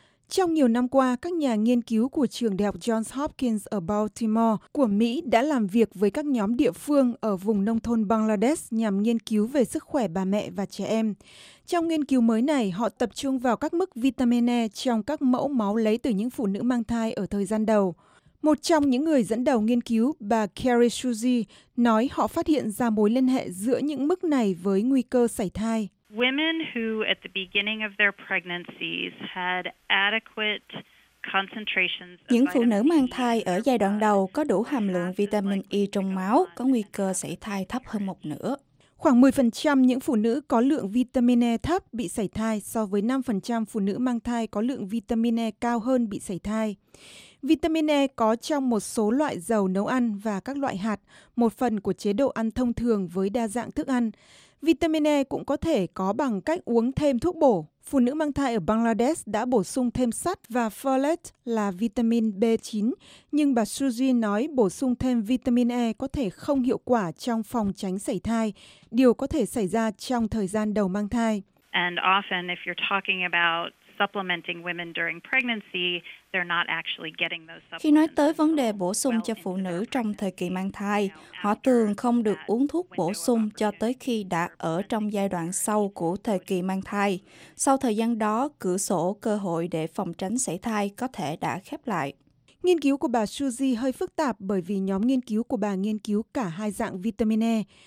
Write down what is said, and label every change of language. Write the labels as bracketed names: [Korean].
[Vietnamese] Trong nhiều năm qua, các nhà nghiên cứu của trường đại học Johns Hopkins ở Baltimore của Mỹ đã làm việc với các nhóm địa phương ở vùng nông thôn Bangladesh nhằm nghiên cứu về sức khỏe bà mẹ và trẻ em. Trong nghiên cứu mới này, họ tập trung vào các mức vitamin E trong các mẫu máu lấy từ những phụ nữ mang thai ở thời gian đầu. Một trong những người dẫn đầu nghiên cứu, bà Carrie Suzy, nói họ phát hiện ra mối liên hệ giữa những mức này với nguy cơ sảy thai. [English] Women who at the beginning of their pregnancies had adequate concentrations. [Vietnamese] Những phụ nữ mang thai ở giai đoạn đầu có đủ hàm lượng vitamin E trong máu có nguy cơ sảy thai thấp hơn một nửa. Khoảng 10% những phụ nữ có lượng vitamin E thấp bị sảy thai so với 5% phụ nữ mang thai có lượng vitamin E cao hơn bị sảy thai. Vitamin E có trong một số loại dầu nấu ăn và các loại hạt, một phần của chế độ ăn thông thường với đa dạng thức ăn. Vitamin E cũng có thể có bằng cách uống thêm thuốc bổ. Phụ nữ mang thai ở Bangladesh đã bổ sung thêm sắt và folate là vitamin B9, nhưng bà Suzy nói bổ sung thêm vitamin E có thể không hiệu quả trong phòng tránh sảy thai, điều có thể xảy ra trong thời gian đầu mang thai. [English] And often if you're talking about supplementing women during pregnancy, they're not actually getting those supplements. [Vietnamese] Khi nói tới vấn đề bổ sung cho phụ nữ trong thời kỳ mang thai, họ thường không được uống thuốc bổ sung cho tới khi đã ở trong giai đoạn sau của thời kỳ mang thai. Sau thời gian đó, cửa sổ cơ hội để phòng tránh sảy thai có thể đã khép lại. Nghiên cứu của bà Suzy hơi phức tạp bởi vì nhóm nghiên cứu của bà nghiên cứu cả hai dạng vitamin E.